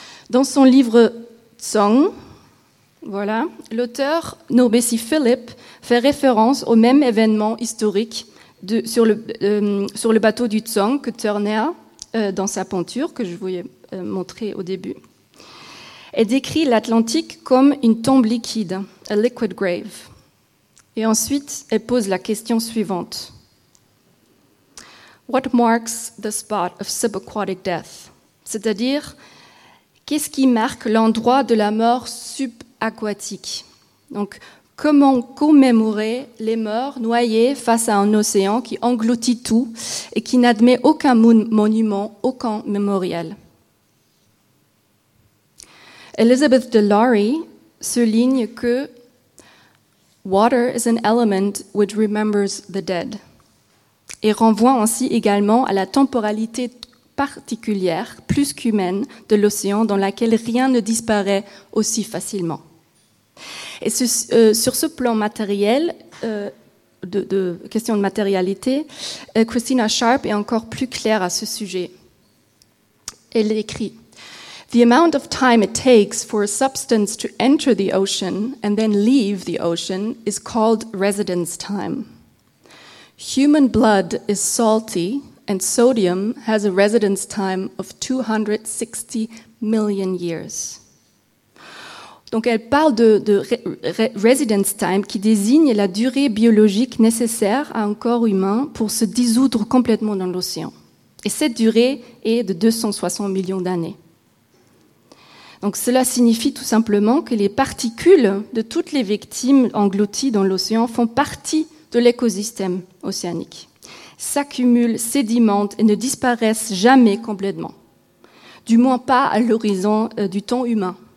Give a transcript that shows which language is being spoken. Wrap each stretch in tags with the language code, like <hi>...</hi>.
<fr>Dans son livre Tsong, voilà, l'auteur Nobesi Philip fait référence au même événement historique sur le bateau du Tsong que Turner dans sa peinture que je vous ai montré au début. Elle décrit l'Atlantique comme une tombe liquide,</fr> <en>a liquid grave.</en> <fr>Et ensuite, elle pose la question suivante.</fr> <en>What marks the spot of subaquatic death?</en> <fr>C'est-à-dire, qu'est-ce qui marque l'endroit de la mort subaquatique? Donc, comment commémorer les morts noyés face à un océan qui engloutit tout et qui n'admet aucun monument, aucun mémorial? Elizabeth DeLory souligne que</fr> <en>Water is an element which remembers the dead,</en> <fr>et renvoie ainsi également à la temporalité particulière, plus qu'humaine, de l'océan dans laquelle rien ne disparaît aussi facilement. Et sur ce plan matériel, de question de matérialité, Christina Sharp est encore plus claire à ce sujet. Elle écrit:</fr> <en>The amount of time it takes for a substance to enter the ocean and then leave the ocean is called residence time. Human blood is salty, and sodium has a residence time of 260 million years.</en> <fr>Donc elle parle de residence time qui désigne la durée biologique nécessaire à un corps humain pour se dissoudre complètement dans l'océan. Et cette durée est de 260 millions d'années. Donc cela signifie tout simplement que les particules de toutes les victimes englouties dans l'océan font partie de l'écosystème océanique, s'accumulent, sédimentent et ne disparaissent jamais complètement, du moins pas à l'horizon du temps humain.</fr>